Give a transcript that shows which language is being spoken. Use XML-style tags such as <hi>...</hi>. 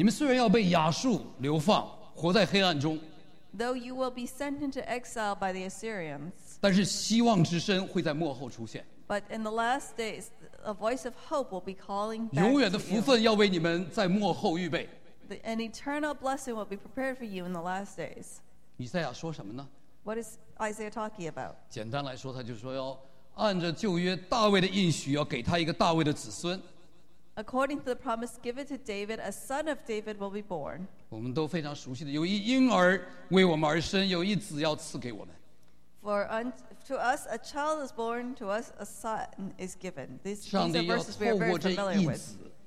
<zh>你们虽然要被亚述流放，活在黑暗中。</zh> <en>Though you will be sent into exile by the Assyrians.</en> <zh>但是希望之声会在幕后出现。</zh> <en>But in the last days, a voice of hope will be calling back.</en> <zh>永远的福分要为你们在幕后预备。</zh> <en>An eternal blessing will be prepared for you in the last days.</en> <zh>以赛亚说什么呢？</zh> <en>What is Isaiah talking about?</en> <zh>简单来说，他就说要按着旧约大卫的应许，要给他一个大卫的子孙。</zh> <en>According to the promise given to David, a son of David will be born.</en> <zh>我们都非常熟悉的，有一婴儿为我们而生，有一子要赐给我们。</zh> <en>For to us a child is born, to us a son is given. These are verses we are very familiar with.</en>